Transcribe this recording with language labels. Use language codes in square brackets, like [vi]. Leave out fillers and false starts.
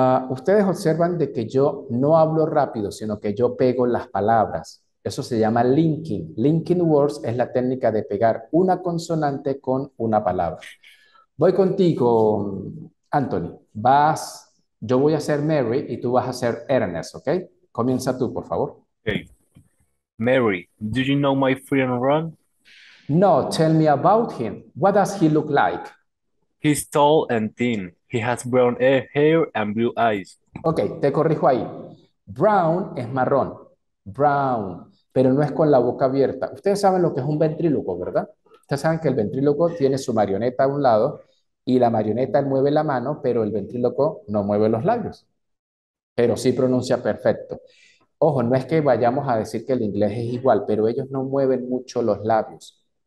[es] Ustedes observan de que yo no hablo rápido, sino que yo pego las palabras. Eso se llama linking. Linking words es la técnica de pegar una consonante con una palabra. Voy contigo, Anthony. Yo voy a ser Mary y tú vas a ser Ernest, ¿ok? Comienza tú, por favor. [en] Okay. Mary, do you know my friend Ron? No, tell me about him. What does he look like? He's tall and thin. He has brown hair and blue eyes. [es] Ok, te corrijo ahí. Brown es marrón. Brown, pero no es con la boca abierta. Ustedes saben lo que es un ventrílocuo, ¿verdad? Ustedes saben que el ventrílocuo tiene su marioneta a un lado y la marioneta mueve la mano, pero el ventrílocuo no mueve los labios. Pero sí pronuncia perfecto. Ojo, no es que vayamos a decir que el inglés es igual, pero ellos no mueven mucho los labios.